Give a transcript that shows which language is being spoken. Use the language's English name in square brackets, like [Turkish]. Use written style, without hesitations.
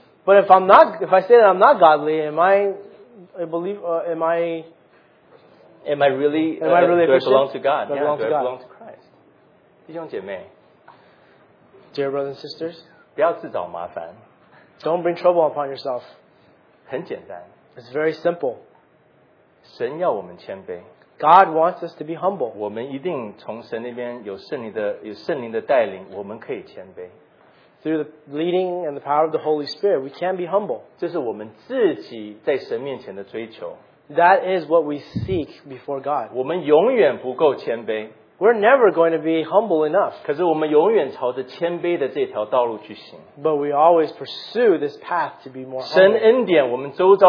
[English] But if I'm not, if I say that I'm not godly, am I really belong to God? [Chinese] 弟兄姐妹, [English] dear brothers and sisters, [Chinese] 不要自找麻烦, [English] don't bring trouble upon yourself. [Chinese] 很简单, [English] it's very simple. [Chinese] 神要我们谦卑, [English] God wants us to be humble. [Chinese] 我们一定从神那边有圣灵的带领,我们可以谦卑。 [English] Through the leading and the power of the Holy Spirit, we can be humble. [Chinese] 这是我们自己在神面前的追求。 [English] That is what we seek before God. [Chinese] 我们永远不够谦卑。 [English] We're never going to be humble enough. [Chinese] 可是我们永远朝着谦卑的这条道路去行。 [English] But we always pursue this path to be more humble.